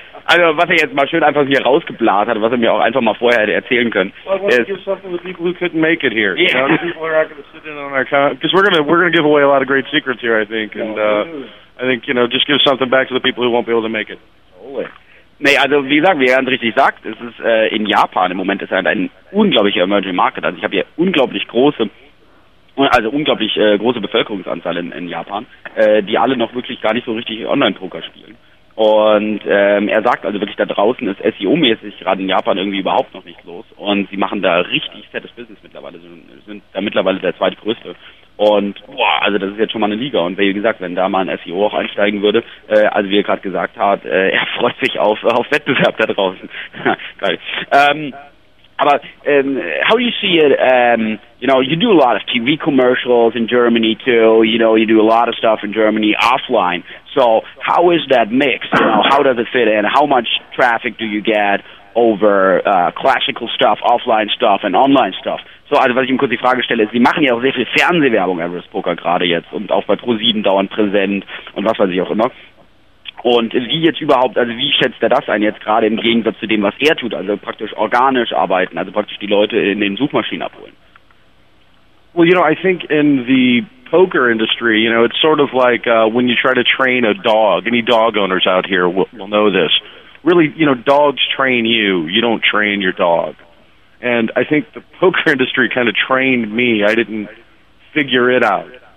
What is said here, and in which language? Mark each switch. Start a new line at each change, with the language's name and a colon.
German: Also, was er jetzt mal schön einfach hier rausgeblasen hat, was er mir auch einfach mal vorher hätte erzählen können.
English: Well, I want to give something to people who couldn't make it here. Yeah. You know, people are not going to sit in on our comments. Because we're gonna give away a lot of great secrets here, I think. And I think, you know, just give something back to the people who won't be able to make it. Holy.
German: Nee, also wie gesagt, wie Jan richtig sagt, es ist in Japan im Moment ist ein unglaublicher Emerging Market. Also ich habe hier unglaublich große Bevölkerungsanzahl in Japan, die alle noch wirklich gar nicht so richtig Online-Poker spielen. Und er sagt also wirklich, da draußen ist SEO-mäßig gerade in Japan irgendwie überhaupt noch nichts los. Und sie machen da richtig fettes Business mittlerweile, sind da mittlerweile der zweitgrößte. Und boah, also das ist jetzt schon mal eine Liga. Und wie gesagt, wenn da mal ein SEO auch einsteigen würde, also wie er gerade gesagt hat, er freut sich auf Wettbewerb da draußen. Geil.
English: But how do you see it? You know, you do a lot of TV commercials in Germany too. You know, you do a lot of stuff in Germany offline. So how is that mix? You know, how does it fit in? How much traffic do you get over classical stuff, offline stuff and online stuff?
German: So, also was ich ihm kurz die Frage stelle, ist, Sie machen ja auch sehr viel Fernsehwerbung, Everest Poker, gerade jetzt und auch bei ProSieben dauernd präsent und was weiß ich auch immer. Und wie jetzt überhaupt, also wie schätzt er das ein jetzt gerade im Gegensatz zu dem, was er tut, also praktisch organisch arbeiten, also praktisch die Leute in den Suchmaschinen abholen?
English: Well, you know, I think in the poker industry, you know, it's sort of like when you try to train a dog, any dog owners out here will know this. Really, you know, dogs train you, you don't train your dog. And I think the poker industry kind of trained me. I didn't figure it out.